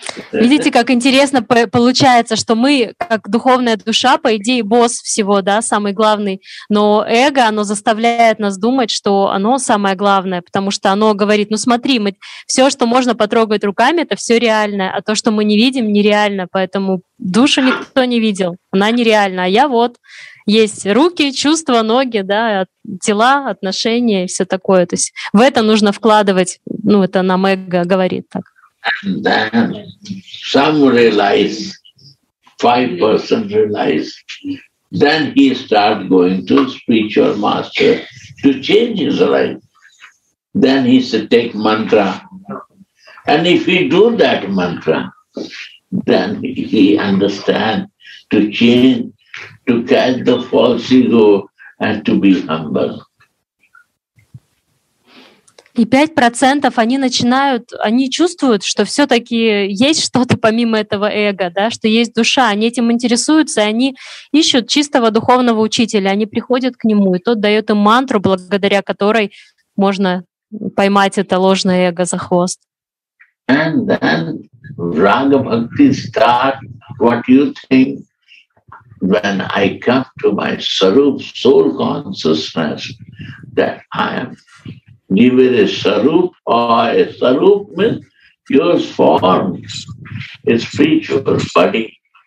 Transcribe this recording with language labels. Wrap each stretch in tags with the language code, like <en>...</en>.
<ru>Видите, как интересно получается, что мы, как духовная душа, по идее, босс всего, да, самый главный, но эго, оно заставляет нас думать, что оно самое главное, потому что оно говорит, ну смотри, мы, все, что можно потрогать руками, это все реальное, а то, что мы не видим, нереально, поэтому душу никто не видел, она нереальна, а я вот, есть руки, чувства, ноги, да, тела, отношения и все такое, то есть в это нужно вкладывать, ну это нам эго говорит так.</ru> <en>And then some realize, 5% realize, then he start going to spiritual master to change his life. Then he said, take mantra. And if he do that mantra, then he understand to change, to catch the false ego and to be humble.</en> <ru>И 5% они начинают, они чувствуют, что все-таки есть что-то помимо этого эго, да, что есть душа, они этим интересуются, и они ищут чистого духовного учителя, они приходят к нему, и тот дает им мантру, благодаря которой можно поймать это ложное эго за хвост.</ru> <en>And then Raga Bhakti starts, what you think, when I come to my Sarup soul consciousness, that I am neither a Sarup or a Sarup means your form, a spiritual body.</en>